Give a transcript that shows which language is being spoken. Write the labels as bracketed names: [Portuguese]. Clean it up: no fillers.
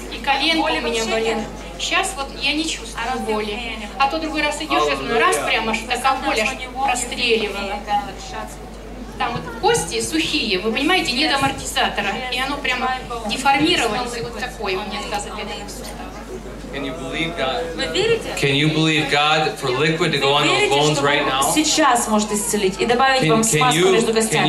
[Russian] И коленка у меня болит. Сейчас вот я не чувствую боли. А то другой раз идешь, я думаю, раз прямо, что такая боль аж простреливала. Там вот кости сухие, вы понимаете, нет амортизатора. И оно прямо деформировалось, и вот такое у меня тазобедренных суставов. [English] Can you believe God? [Russian] Вы верите? [English] Can you believe God for liquid to go on those bones right now? [Russian] Сейчас может исцелить и добавить вам смазку между костями.